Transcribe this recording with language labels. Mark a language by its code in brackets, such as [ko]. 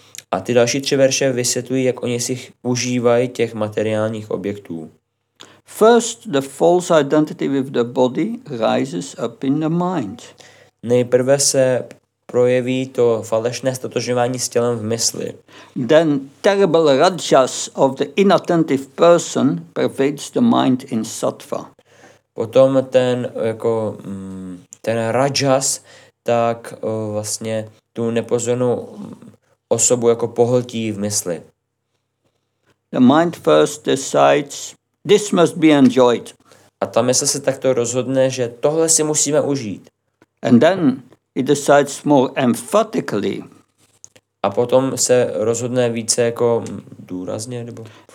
[cs] A ty další tři verše vysvětlují, jak oni si užívají těch materiálních objektů. [en] First, the false identity with the body rises up in the mind. [cs] Nejprve se projeví to falešné ztotožňování s tělem v mysli. [en] Then terrible rajas of the inattentive person pervades the mind in sattva. [cs] Potom ten jako ten rajas, tak vlastně tu nepozornou osobu jako pohltí v mysli. [en] The mind first decides this must be enjoyed. [cs] A ta mysl se takto rozhodne, že tohle si musíme užít. [en] And then it decides more emphatically. [cs] A potom se rozhodne více jako důrazně nebo